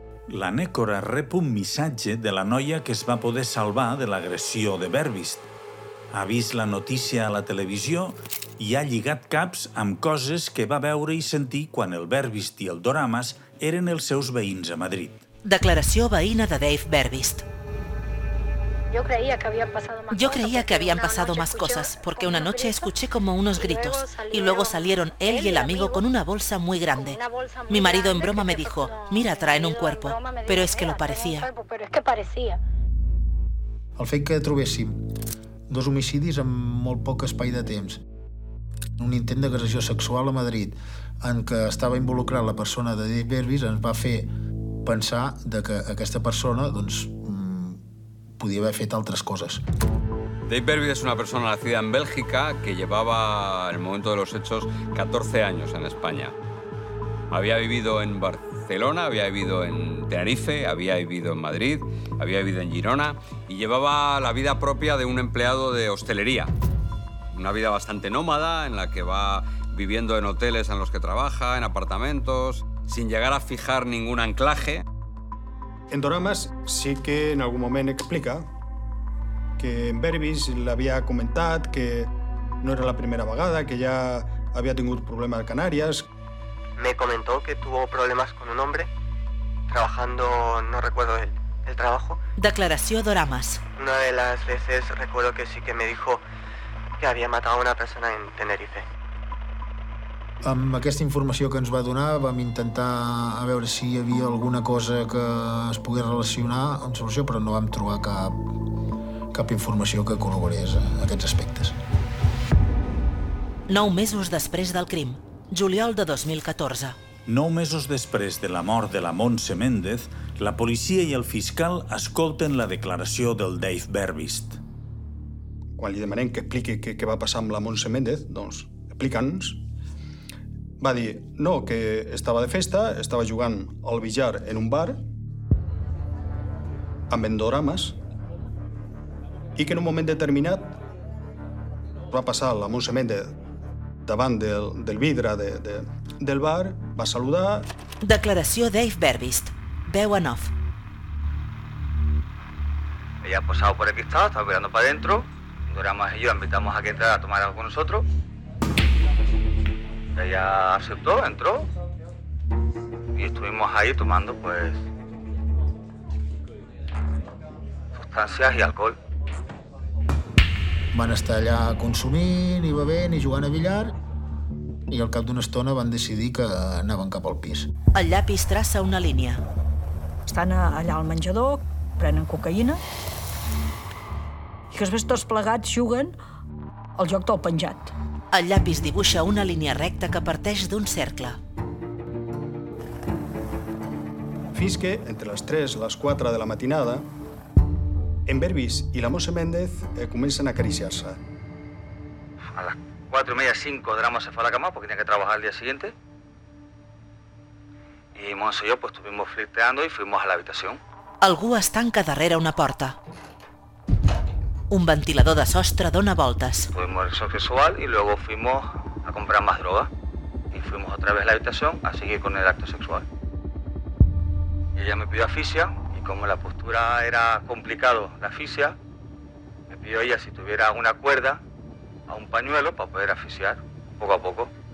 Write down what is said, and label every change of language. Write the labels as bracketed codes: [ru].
[ca] La Nécora rep un missatge de la noia que es va poder salvar de l'agressió de Verbis. Ha vist la notícia a la televisió i ha lligat caps amb coses que va veure i sentir quan el Verbis i el Doramas eren els seus veïns a Madrid. Declaració veïna de Dave Verbis. [es] Yo creía que habían pasado más cosas, porque una noche escuché como unos gritos y luego salieron él y el amigo con una bolsa muy grande. Mi marido en broma me dijo, mira, traen un cuerpo, pero es que lo parecía. [ca] El fet que trobéssim dos homicidis en molt poc espai de temps, un intent d'agressió sexual a Madrid en què estava involucrada la persona de Dave Verbis ens va fer pensar que aquesta persona, doncs, podia haver fet altres coses. [es] Dave Verbis es una persona nacida en Bélgica que llevaba, en el momento de los hechos, 14 años en España. Había vivido en Barcelona, había vivido en Tenerife, había vivido en Madrid, había vivido en Girona y llevaba la vida propia de un empleado de hostelería. Una vida bastante nómada en la que va viviendo en hoteles en los que trabaja, en apartamentos, sin llegar a fijar ningún anclaje. [ca] En Doramas sí que en algun moment explica que en Verbis l'havia comentat que no era la primera vegada, que ja havia tingut problemes a Canàries. [es] Me comentó que tuvo problemas con un hombre trabajando, no recuerdo el trabajo. [ca] Declaració Doramas. [es] Una de las veces recuerdo que sí que me dijo que había matado a una persona en Tenerife. [ca] Amb aquesta informació que ens va donar, vam intentar a veure si hi havia alguna cosa que es pogués relacionar amb solució, però no vam trobar cap informació que corroborés aquests aspectes. 9 mesos després del crim, juliol de 2014. 9 mesos després de la mort de la Montse Méndez, la policia i el fiscal escolten la declaració del Dave Verbis. Quan li demanem que expliqui què va passar amb la Montse Méndez, doncs explica'ns. Va dir, no, que estava de festa, estava jugant al billar en un bar amb en Doramas i que en un moment determinat va passar la Montse Méndez davant del vidre del bar, va saludar. Declaració Dave Verbis, veu en off. [es] Ella ha posado por el cristal, estaba mirando para dentro. Doramas y yo la invitamos a que entrara a tomar algo con nosotros. Ella aceptó, entró y estuvimos ahí tomando, pues, sustancias y alcohol. [ca] Van estar allà consumint i bevent i jugant a billar i al cap d'una estona van decidir que anaven cap al pis. El llapis traça una línia. Estan allà al menjador, prenen cocaïna i que després tots plegats juguen al joc del penjat. El llapis dibuixa una línia recta que parteix d'un cercle. Fins que, entre les 3 i les 4 de la matinada, en Berbis i la mossa Méndez comencen a acariciar-se. A les 4 i media, 5, la mossa fa la cama, perquè tenia que treballar [es] el dia siguiente. Y Monse y yo pues estuvimos flirteando y fuimos a la habitación. [ca] Algú es tanca darrere una porta. Un ventilador de sostre dona voltes. [es] Fuimos al sexual y luego fuimos a comprar más droga. Y fuimos otra vez a la habitación a seguir con el acto sexual. Y ella me pidió asfixia y como la postura era complicado, la asfixia, me pidió ella si tuviera una cuerda a un pañuelo para poder asfixiar poco a poco.